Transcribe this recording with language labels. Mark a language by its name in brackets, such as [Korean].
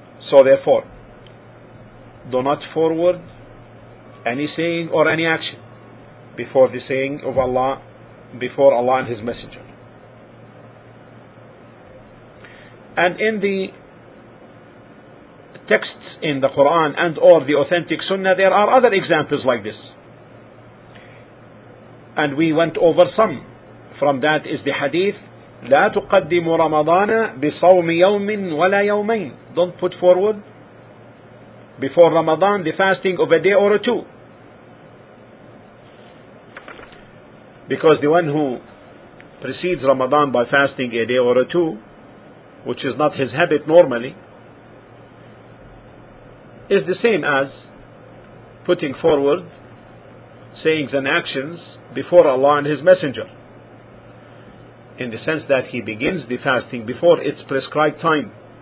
[English] So therefore, do not forward any saying or any action before the saying of Allah, before Allah and His Messenger. And in the texts in the Quran and or the authentic Sunnah, there are other examples like this. And we went over some. From that is the hadith, [Arabic] لا تقدم رمضان بصوم يوم ولا يومين. [English] Don't put forward before Ramadan the fasting of a day or a two. Because the one who precedes Ramadan by fasting a day or a two, which is not his habit normally, is the same as putting forward sayings and actions before Allah and His Messenger, in the sense that he begins the fasting before its prescribed time.